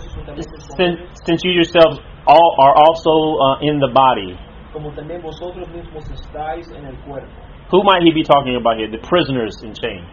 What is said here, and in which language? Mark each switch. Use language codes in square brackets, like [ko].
[en] Since you yourselves all are also in the body. [es] Como también vosotros mismos estáis en el cuerpo. [en] Who might he be talking about here? The prisoners in chain.